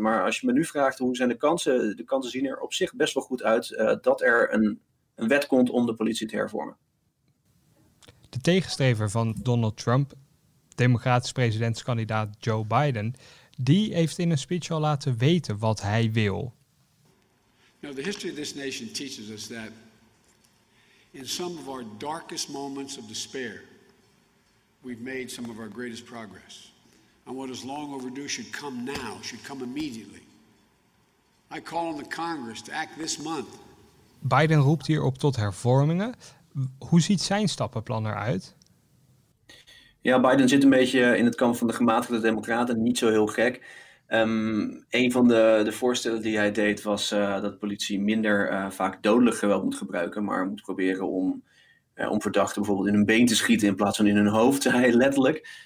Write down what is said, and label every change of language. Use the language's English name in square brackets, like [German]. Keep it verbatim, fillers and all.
[Dutch] Maar als je me nu vraagt hoe zijn de kansen, de kansen zien er op zich best wel goed uit uh, dat er een, een wet komt om de politie te hervormen. De tegenstrever van Donald Trump, democratisch presidentskandidaat Joe Biden, die heeft in een speech al laten weten wat hij wil. [English] You know, the history of this nation teaches us that in some of our darkest moments of despair, we've made some of our greatest progress. And what is long overdue should come now, should come immediately. I call on the Congress to act this month. [Dutch] Biden roept hierop tot hervormingen. Hoe ziet zijn stappenplan eruit? Ja, Biden zit een beetje in het kamp van de gematigde democraten, niet zo heel gek. Um, een van de, de voorstellen die hij deed was uh, dat politie minder uh, vaak dodelijk geweld moet gebruiken, maar moet proberen om, uh, om verdachten bijvoorbeeld in hun been te schieten in plaats van in hun hoofd, zei hij letterlijk.